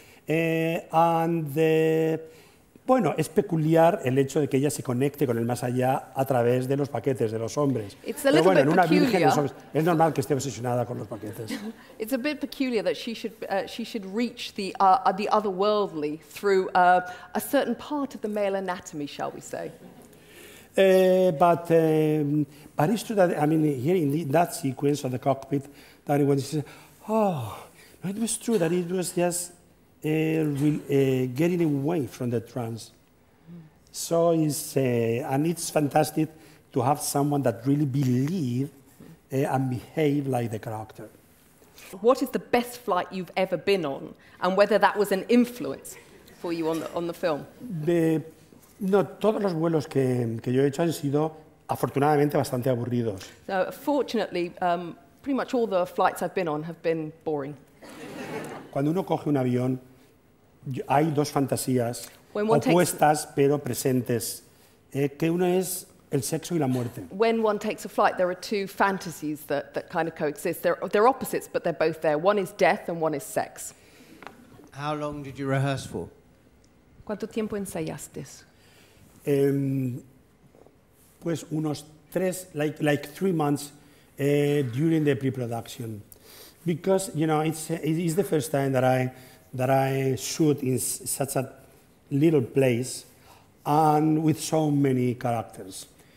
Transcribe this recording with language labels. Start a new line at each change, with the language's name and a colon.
Spanish: Es peculiar el hecho de que ella se conecte con el más allá a través de los paquetes de los hombres.
English: It's a little bit peculiar.
Spanish: Pero bueno, en una virgen de hombres, es normal que esté obsesionada con los paquetes.
English: It's a bit peculiar that she should reach the otherworldly through a certain part of the male anatomy, shall we say? But it's true that, I mean, here in that sequence of the cockpit, that when she says, oh, it was true that it was just getting away from the trance. So it's, and it's fantastic to have someone that really believe and behave like the character. What is the best flight you've ever been on, and whether that was an influence for you on the film?
Spanish: No, todos los vuelos que yo he hecho han sido afortunadamente bastante aburridos.
English: So, fortunately, pretty much all the flights I've been on have been boring.
Spanish: Cuando uno coge un avión, hay dos fantasías opuestas pero presentes, que uno es el sexo y la muerte.
English: When one takes a flight, there are two fantasies that kind of coexist. They're opposites, but they're both there. One is death and one is sex. How long did you rehearse for?
Spanish: ¿Cuánto tiempo ensayaste? Pues unos tres,
English: like 3 months during the pre-production, because you know it's the first time that I shoot in such a little place and with so many characters.